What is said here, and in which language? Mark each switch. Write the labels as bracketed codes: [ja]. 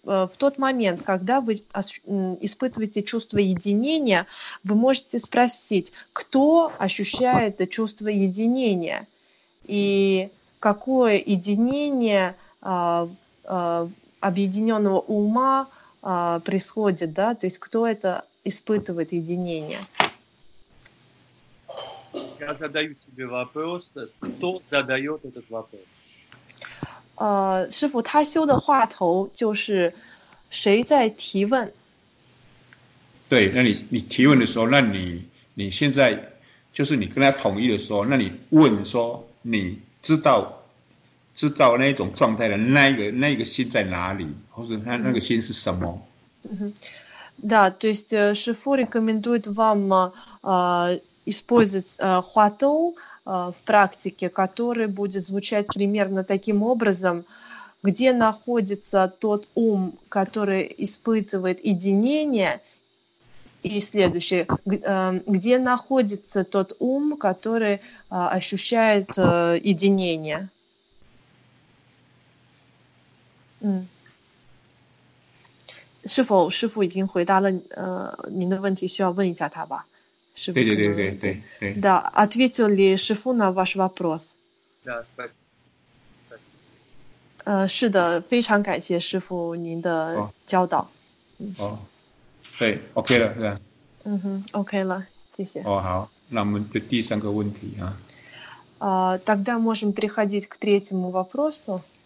[ru] в тот момент, когда вы испытываете чувство единения, вы можете спросить, кто ощущает это чувство единения и какое единение объединенного ума происходит, да, то есть кто это испытывает единение. Я задаю себе вопрос, кто задает этот вопрос? [zh] 师父, 他修的话头就是谁在提问? 对, 那你提问的时候, 那你现在, 就是你跟他统一的时候, 那你问说, 你知道, 知道那种状态的, 那个心在哪里, 或是那个心是什么? 对, 就是师父 [ru] рекомендует вам, использовать хватоу в практике, который будет звучать примерно таким образом, где находится тот ум, который испытывает единение, и следующее, где находится тот ум, который ощущает единение. Шифу, Шифу, Идин, Хуйдала, Нинаванти, Сюа, [zh] 对对对对对对。 [ru] Да, ответил ли Шифу на ваш вопрос? Да, спасибо. [zh] 是的，非常感谢师傅您的教导。哦, 哦，对，OK了，是吧？嗯哼 ，OK了，谢谢。哦，好，那我们的第三个问题啊。 [ru] Тогда можем переходить к третьему вопросу.